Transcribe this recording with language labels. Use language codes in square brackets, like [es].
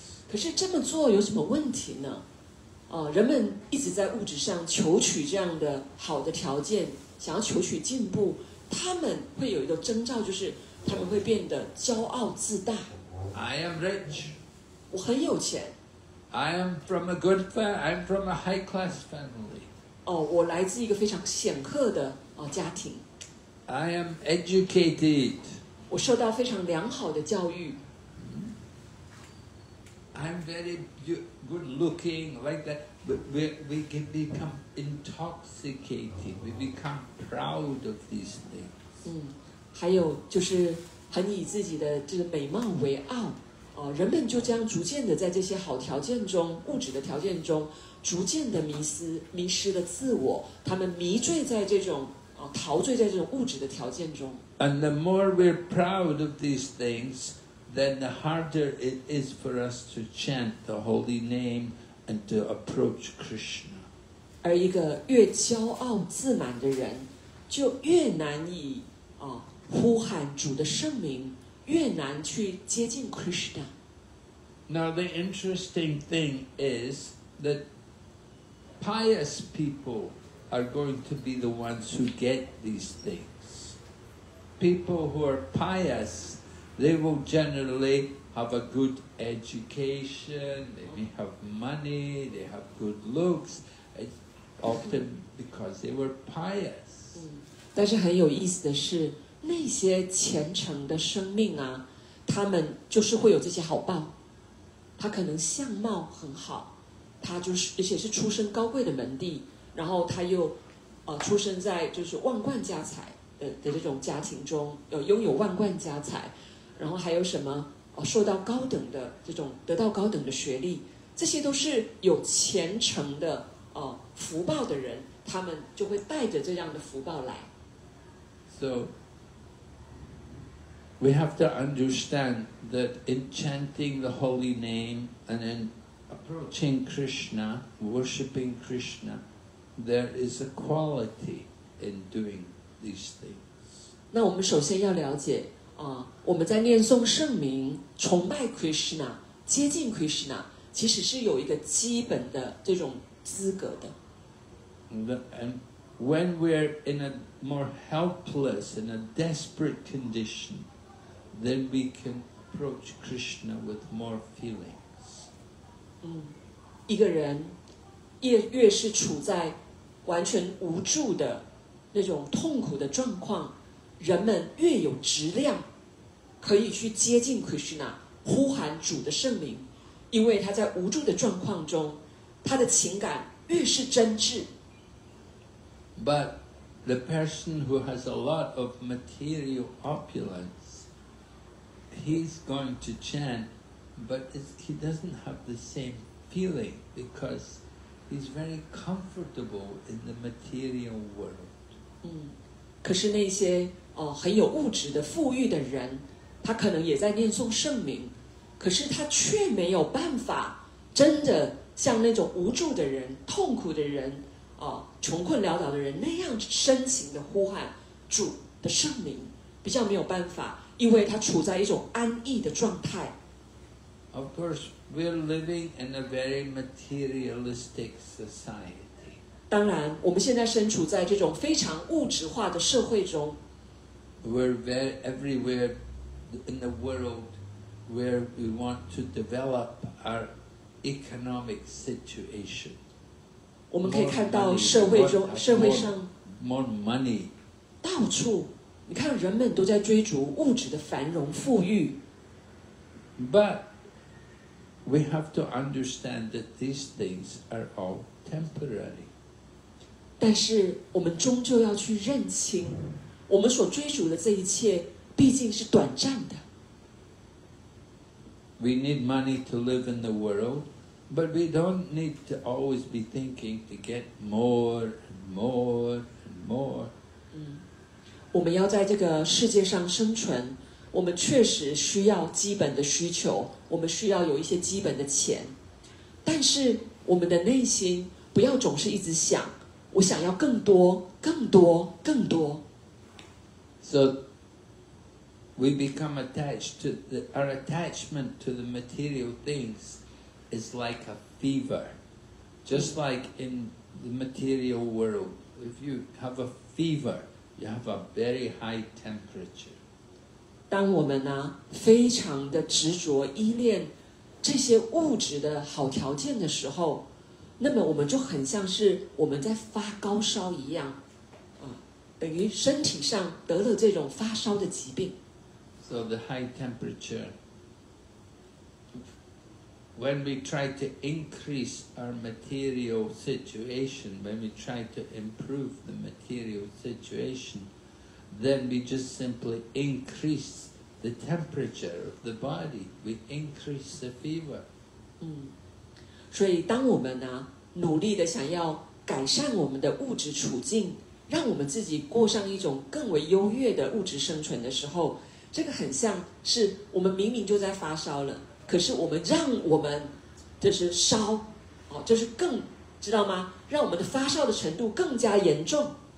[zh] 可是这么做有什么问题呢？人们一直在物质上求取这样的好的条件，想要求取进步，他们会有一个征兆，就是他们会变得骄傲自大。 [en] I am rich. [zh] 我很有钱。 [en] I am from a good family. I'm from a high class family. [zh] 我来自一个非常显赫的家庭。 [en] I am educated. [zh] 我受到非常良好的教育。 [en] I'm very good looking, like that. We can become intoxicated. We become proud of these things. [zh] 还有就是很以自己的这个美貌为傲。人们就这样逐渐的在这些好条件中，物质的条件中，逐渐的迷失了自我。他们迷醉在这种。陶醉在这种物质的条件中。 [en] And the more we're proud of these things, then the harder it is for us to chant the holy name and to approach Krishna. [zh] 而一个越骄傲自满的人，就越难以呼喊主的圣名，越难去接近 Krishna. [en] Now the interesting thing is that pious people. Are going to be the ones who get these things. People who are pious, they will generally have a good education, they may have money, they have good looks, often because they were pious. [zh] 但是很有意思的是，那些虔诚的生命啊，他们就是会有这些好报。他可能相貌很好，他就是而且是出身高贵的门第，然后他又出生在就是万贯家财 的这种家庭中，拥有万贯家财，然后还有什么受到高等的这种得到高等的学历，这些都是有虔诚的福报的人，他们就会带着这样的福报来。 [en] So we have to understand that enchanting the holy name and then approaching Krishna, worshipping Krishna, there is a quality in doing these things. [zh] 那我们首先要了解我们在念诵圣名、崇拜 Krishna、接近 Krishna， 其实是有一个基本的这种资格的。 [en] And when we're in a more helpless, in a desperate condition, then we can approach Krishna with more feelings. [zh] 一个人越是处在完全无助的那种痛苦的状况，人们越有质量。可以去接近 Krishna， 呼喊主的圣名，因为他在无助的状况中，他的情感越是真挚。 [en] But the person who has a lot of material opulence, he's going to chant, but he doesn't have the same feeling because he's very comfortable in the material world. [zh] 可是那些很有物质的富裕的人。他可能也在念诵圣名，可是他却没有办法真的像那种无助的人、痛苦的人、穷困潦倒的人那样深情的呼喊主的圣名，比较没有办法，因为他处在一种安逸的状态。 [en] Of course, we're living in a very materialistic society. [zh] 当然，我们现在身处在这种非常物质化的社会中。 [en] We're very everywhere. In the world where we want to develop our economic situation, we can see in society more money. [zh] 到处，你看人们都在追逐物质的繁荣富裕。 [en] But we have to understand that these things are all temporary. [zh] 但是我们终究要去认清，我们所追逐的这一切。毕竟是短暂的。 [en] We need money to live in the world, but we don't need to always be thinking to get more and more and more. [zh] 我们要在这个世界上生存，我们确实需要基本的需求，我们需要有一些基本的钱。但是我们的内心不要总是一直想，我想要更多，更多，更多。 [en] So. We become attached to the, our attachment to the material things is like a fever. Just like in the material world, if you have a fever, you have a very high temperature. [zh] 当我们呢非常的执着依恋这些物质的好条件的时候，那么我们就很像是我们在发高烧一样，等于身体上得了这种发烧的疾病。 [en] So the high temperature, when we try to increase our material situation, when we try to improve the material situation, then we just simply increase the temperature of the body, we increase the fever. [zh] 所以当我们呢努力的想要改善我们的物质处境，让我们自己过上一种更为优越的物质生存的时候，这个很像是我们明明就在发烧了，可是我们让我们就是烧就是更知道吗，让我们的发烧的程度更加严重。